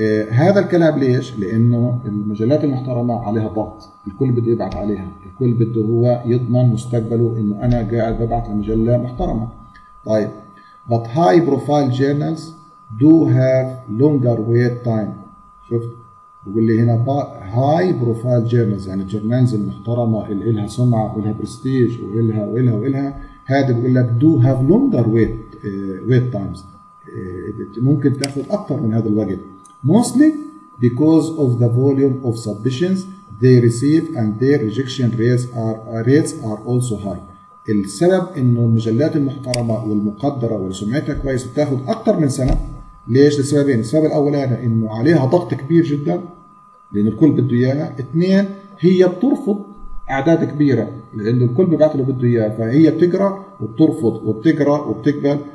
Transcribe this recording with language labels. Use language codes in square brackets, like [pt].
[ar] هذا الكلام ليش؟ لانه المجلات المحترمه عليها ضغط، الكل بده يبعث عليها، الكل بده هو يضمن مستقبله انه انا قاعد ببعث لمجله محترمه. [en] طيب but high profile journals do have longer wait time. [ar] شفت بقول لي هنا [en] high profile journals، [ar] يعني الجورنالز المحترمه اللي لها سمعه ولها برستيج ولها ولها ولها، هذا بقول لك [en] do have longer wait times، [ar] ممكن تاخذ اكثر من هذا الوقت. [en] Mostly because of the volume of submissions they receive and their rejection rates are also high. [ar] السبب إنه المجلات المحترمة والمقدرة وسمعتها كويس بتاخد أكتر من سنة. ليش؟ لسببين. السبب الأولاني إنه عليها ضغط كبير جدا لأن الكل بده إياها. اثنين، هي بترفض أعداد كبيرة لأنه الكل ببعث له بده إياها، فهي بتقرأ وبترفض وبتقرأ وبتقبل.